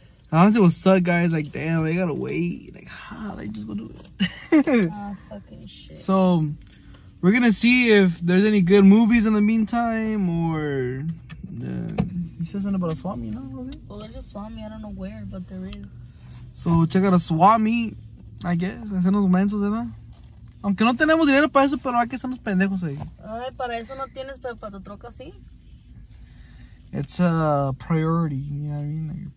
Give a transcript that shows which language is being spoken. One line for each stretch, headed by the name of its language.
English: Honestly, it would suck, guys. Like, damn, they gotta wait. Like, ha, like, just go do it. Aw, fucking shit. So, we're gonna see if there's any good movies in the meantime or. He says something about a swap meet, no? Well, there's a swap meet. I don't know where, but there is. So, check out a swap meet, I guess.
Spanish: Hacernos mensos, ¿verdad? Aunque no tenemos dinero para eso, pero hay que hacernos pendejos ahí. Ay, para eso no tienes, pero para tu troca, sí.
English: It's a priority, you know what I mean?